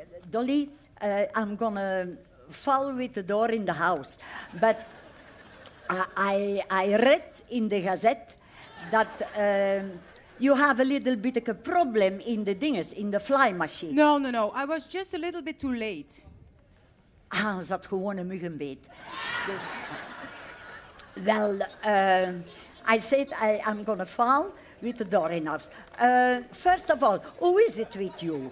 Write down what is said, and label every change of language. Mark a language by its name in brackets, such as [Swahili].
[English] Dolly, I'm gonna fall with the door in the house. But I read in the gazette that you have a little bit of a problem in the dinges, in the fly machine. No. I was just a little bit too late. [Dutch] Ah, ze had gewoon een muggenbeet. [English] Dus, well, I said I'm gonna fall with the door in house. First of all, who is it with you?